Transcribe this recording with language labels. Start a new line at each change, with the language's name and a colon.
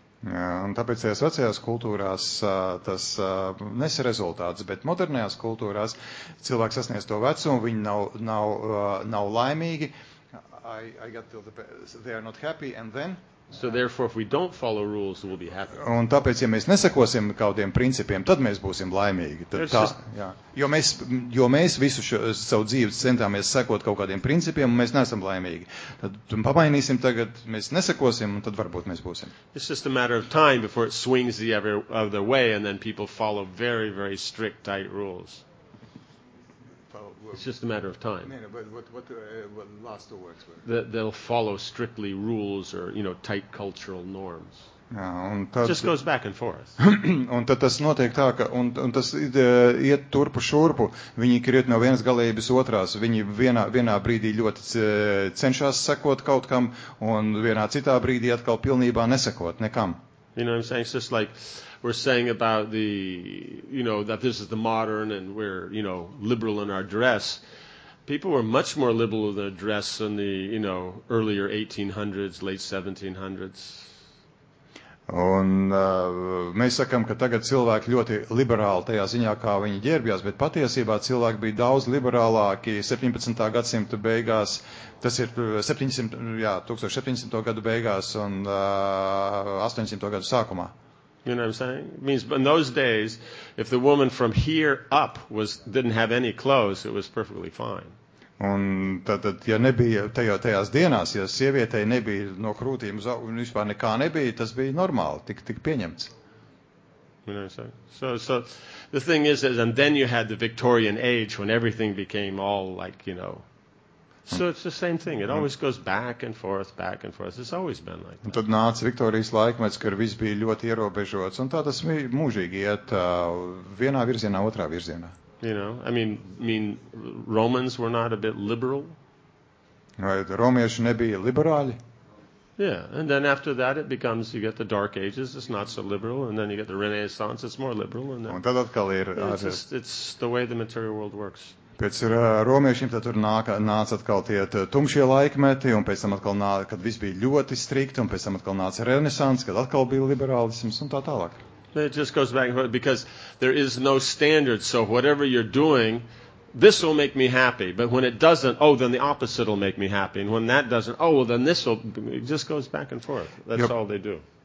Latvian: Un tāpēc tajās vecajās kultūrās tas nesa rezultāts, bet modernajās kultūrās cilvēks sasniedz to vecumu, viņi nav laimīgi.
English: I got till they are not happy and then so therefore if we don't follow rules we'll be happy.
Latvian: Un tāpēc ja mēs nesekosim kādiem principiem, tad mēs būsim laimīgi. Tad tā, jā. Jo mēs visu savu dzīvi centāmies sekot kaut kādiem principiem, un mēs neesam laimīgi. Tad pamainīsim tagad, mēs nesekosim, un tad varbūt mēs būsim.
English: It's just a matter of time before it swings the other way and then people follow very very strict tight rules. It's just a matter of time. No, but what last two words were? That they'll follow strictly rules or, you know, tight cultural norms.
Latvian: Jā, un tad,
English: it just goes back and forth.
Latvian: Un tad tas notiek tā, ka, un tas iet turpu šurpu, viņi kriet no vienas galības otrās, viņi vienā brīdī ļoti cenšas sekot kaut kam, un vienā citā brīdī atkal pilnībā nesekot nekam.
English: You know what I'm saying? It's just like we're saying about the, you know, that this is the modern and we're, you know, liberal in our dress. People were much more liberal in their dress in the, you know, earlier 1800s, late 1700s.
Latvian: Un mēs sakam, ka tagad cilvēki ļoti liberāli tajā ziņā, kā viņi ģērbjās, bet patiesībā cilvēki bija daudz liberālāki 17. Gadsimta beigās, tas ir 1700. Gadu beigās un 800. Gadu sākumā.
English: You know what I'm saying? It means in those days, if the woman from here up didn't have any clothes, it was perfectly fine.
Latvian: Un tad, ja nebija tajās dienās, ja sievietei nebija no krūtīm un vispār nekā nebija, tas bija normāli, tik pieņemts.
English: You know what I'm saying? So the thing is, and then you had the Victorian age when everything became all like, you know, so it's the same thing. It always goes back and forth. It's always been like that.
Latvian: Un tad nāca Viktorijas laikmets, kur viss bija ļoti ierobežots, un tā tas mūžīgi iet vienā virzienā, otrā virzienā.
English: You know, I mean Romans were not a bit liberal.
Latvian: Right, romieši nebija liberāļi.
English: Yeah, and then after that it becomes, you get the Dark Ages, it's not so liberal, and then you get the Renaissance, it's more liberal. And then,
Latvian: un tad atkal ir...
English: It's the way the material world works.
Latvian: Pēc romiešiem tad tur nāca atkal tie tumšie laikmeti, un pēc tam atkal nāca, kad viss bija ļoti strikti, un pēc tam atkal nāca Renaissance, kad atkal bija liberālisms, un tā tālāk.
English: It just goes back and forth because there is no standard, so whatever you're doing, this will make me happy, but when it doesn't, oh, then the opposite will make me happy, and when that doesn't, oh, well, then this will, it just goes back and forth. That's all they do.